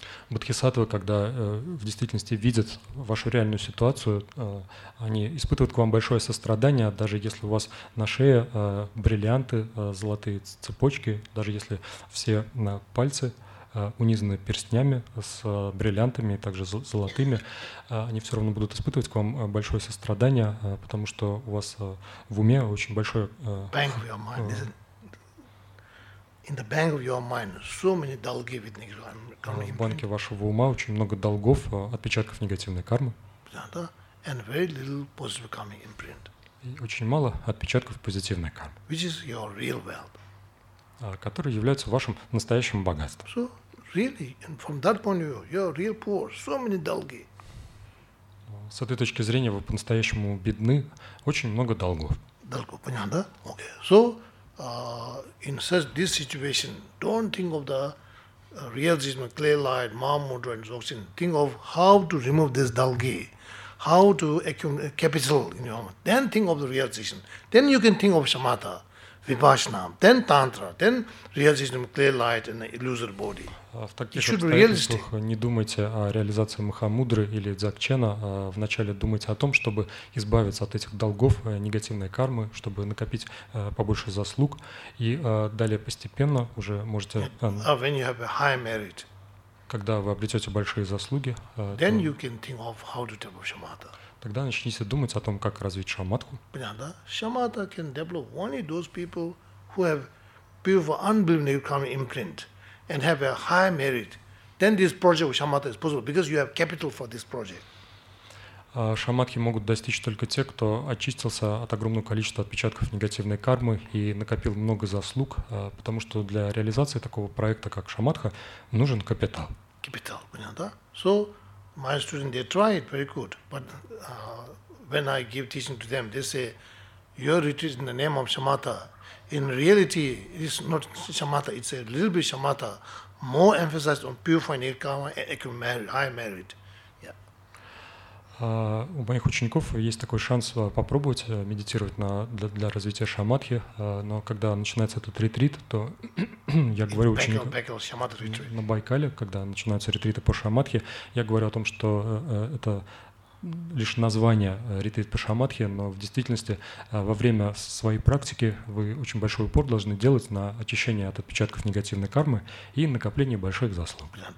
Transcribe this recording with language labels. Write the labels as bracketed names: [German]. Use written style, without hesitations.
[Russian] Бодхисаттвы, когда в действительности видят вашу реальную ситуацию, они испытывают к вам большое сострадание, даже если у вас на шее бриллианты, золотые цепочки, даже если все пальцы унизаны перстнями с бриллиантами, также золотыми, они все равно будут испытывать к вам большое сострадание, потому что у вас в уме очень большое... [English] Bank of your mind, In the bank of your mind, so many [Russian] долги [English] with negative karma. [Russian] В банке вашего ума очень много долгов, отпечатков негативной кармы. [English] Да. And very little positive karma imprint. [Russian] И очень мало отпечатков позитивной кармы. [English] Which is your real wealth. [Russian] Которые являются вашим настоящим богатством. [English] So really, and from that point of view, you're real poor. So many [Russian] долги. С этой точки зрения вы по-настоящему бедны, очень много долгов. Долгов, понятно? Okay. [English] So in such this situation, don't think of the realism, clear light, Mahamudra and Dzogchen. Think of how to remove this dalgi, how to accumulate capital in your mind. Then think of the realization. Then you can think of samatha, vipassana, then tantra, then realism, clear light and the illusory body. [Russian] В таких обстоятельствах не думайте о реализации Махамудры или Дзакчена. Вначале думайте о том, чтобы избавиться от этих долгов, негативной кармы, чтобы накопить побольше заслуг. И далее постепенно уже можете... [English] When you have a high merit, [Russian] когда вы обретете большие заслуги, [English] then you can think of how to develop shamatha. [Russian] Тогда начните думать о том, как развить шаматху. Понятно? [English] Shamatha can develop only those people who have beautiful, unbelievable karmic imprint. And have a high merit, then this project of shamatha is possible because you have capital for this project. [Russian] Шамадхи могут достичь только те, кто очистился от огромного количества отпечатков негативной кармы и накопил много заслуг, потому что для реализации такого проекта, как шамадха, нужен капитал. [English] Capital, [Russian] понятно? [English] So my students, they try it very good, but when I give teaching to them, they say, "Your retreat in the name of shamatha." In reality, it's not shamatha, it's a little bit shamatha, more emphasized on purifying nature karma and accumulating high merit. [Russian] У моих учеников есть такой шанс попробовать медитировать для развития шамадхи, но когда начинается этот ретрит, то я говорю ученикам на Байкале, когда начинаются ретриты по шамадхи, я говорю о том, что это лишь название ретрит по шамадхи, но в действительности во время своей практики вы очень большой упор должны делать на очищение от отпечатков негативной кармы и накопление больших заслуг.